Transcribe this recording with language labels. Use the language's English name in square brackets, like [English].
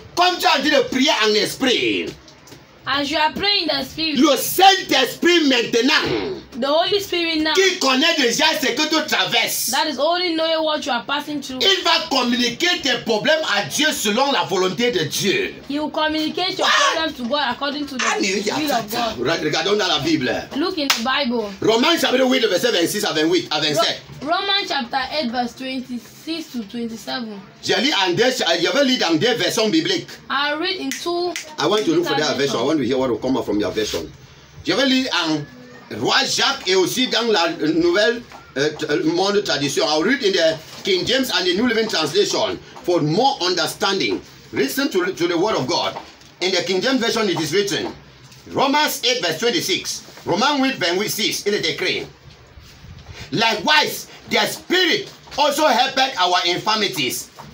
[French] Comme tu as dit de prier en esprit. [English] As you are praying in the spirit. [French] Le Saint-Esprit maintenant. [English] The Holy Spirit now. [French] Qui connaît déjà ce que tu traverses. [English] That is only knowing what you are passing through. [French] Il va communiquer tes problèmes à Dieu selon la volonté de Dieu. [English] He will communicate your problems to God according to the will of God. [French] Regardons dans la Bible. [English] Look in the Bible. [French] Romains chapitre 8 verset 26 à 28 à 27. [English] Romans chapter 8 verse 26 to 27. [French] J'ai lu en deux, je vais lire dans deux versions bibliques. [English] I'll read in two. I want to look for that version. I want to hear what will come out from your version. [French] Je vais lire en Roi Jacques et aussi dans la nouvelle monde tradition. [English] I'll read in the King James and the New Living Translation for more understanding. Listen to the word of God. In the King James Version it is written, Romans 8 verse 26. Romans 8 verse 26 in the decree. Likewise, the Spirit also helpeth our infirmities.